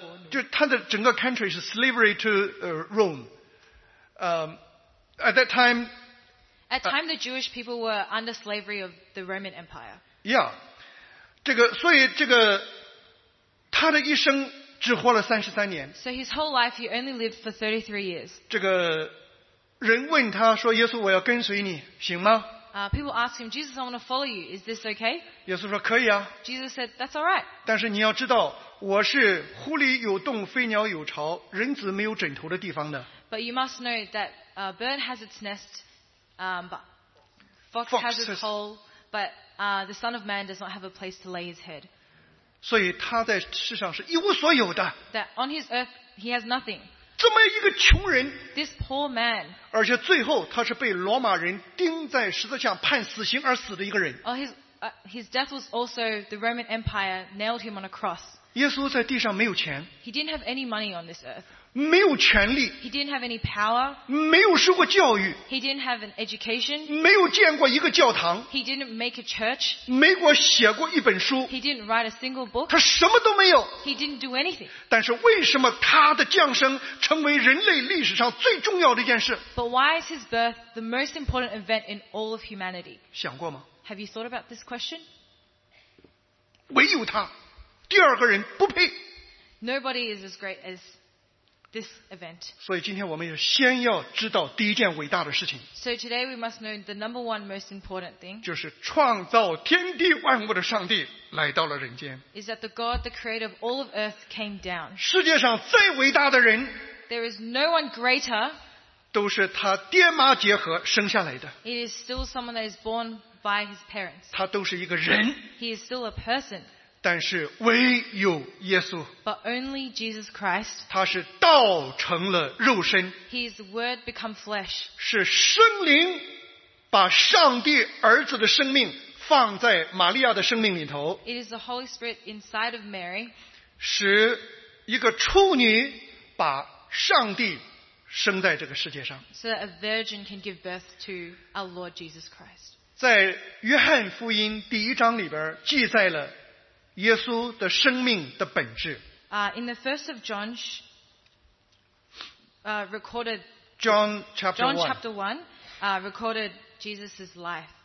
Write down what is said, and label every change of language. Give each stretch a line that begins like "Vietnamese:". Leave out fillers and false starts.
Chinese: 就他的整个
English: country 是 slavery to Rome. At that time. At the time, the Jewish people were under slavery of the Roman Empire. Yeah.
Chinese: 这个所以这个他的一生只活了33年。
English: So his whole life, he only lived for 33 years.
Chinese: 这个人问他说耶稣我要跟随你行吗、
English: people ask him, Jesus, I want to follow you. Is this okay?
Chinese: 耶稣说可以啊。
English: Jesus said, that's all right.
Chinese: 但是你要知道我是狐狸有洞飞鸟有巢人子没有枕头的地方的。
English: But you must know that a bird has its nest. But fox has its hole, but the Son of Man does not have a place to lay his head.
Chinese: 所以他在世上是一无所有的。
English: That on his earth he has nothing.
Chinese: 这么一个穷人。
English: This poor man.
Chinese: 而且最后他是被罗马人钉在十字架判死刑而死的一个人。
English: His death was also the Roman Empire nailed him on a cross.
Chinese: 耶稣在地上没有钱。
English: He didn't have any money on this earth.
Chinese: 没有权力
English: He didn't have any power.
Chinese: 没有受过教育
English: He didn't have an education.
Chinese: 没有见过一个教堂
English: He didn't make a church.
Chinese: 没过写过一本书
English: He didn't write a single book.
Chinese: 他什么都没有
English: He didn't do anything.
Chinese: 但是为什么他的降生成为人类历史上最重要的一件事
English: But why is his birth the most important event in all of humanity?
Chinese: 想过吗
English: Have you thought about this question?
Chinese: 唯有他第二个人不配
English: Nobody is as great as This event.
Chinese: 所以今天我们要先要知道第一件伟大的事情。
English: So today we must know the number one most important thing.
Chinese: 就是创造天地万物的上帝来到了人间。
English: Is that the God, the creator of all of earth, came down.
Chinese: 世界上最伟大的人。
English: There is no one greater.
Chinese: 都是他爹妈结合生下来的。
English: It is still someone that is born by his parents.
Chinese: 他都是一个人。
English: He is still a person.
Chinese: 但是唯有耶稣
English: But only Jesus Christ,
Chinese: 他是道成了肉身
English: He is the word become flesh.
Chinese: 是圣灵把上帝儿子的生命放在玛利亚的生命里头
English: It is the Holy Spirit inside of Mary.
Chinese: 使一个处女把上帝生在这个世界上
English: So that a virgin can give birth to our Lord Jesus Christ.
Chinese: 在约翰福音第一章里边记载了耶稣的生命的本质。
English: In the first of John, recorded John chapter John chapter one, recorded Jesus's life.